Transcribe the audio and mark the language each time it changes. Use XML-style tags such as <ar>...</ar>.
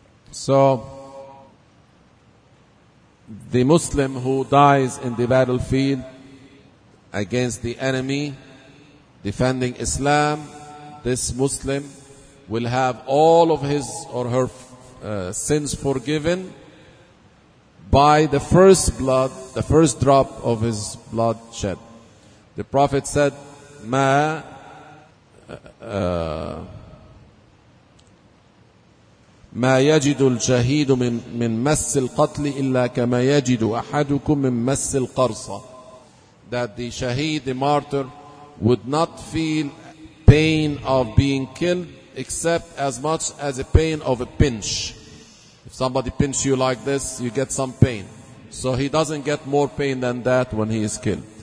<en>So, the Muslim who dies in the battlefield against the enemy, defending Islam, this Muslim will have all of his or her sins forgiven by the first blood, the first drop of his blood shed.</en> <ar>The Prophet said, ما يجد الشهيد من مس القتل إلا كما يجد أحدكم من مس القرصة.</ar> <en>That the shaheed, the martyr, would not feel pain of being killed except as much as a pain of a pinch. If somebody pinches you like this, you get some pain. So he doesn't get more pain than that when he is killed.</en>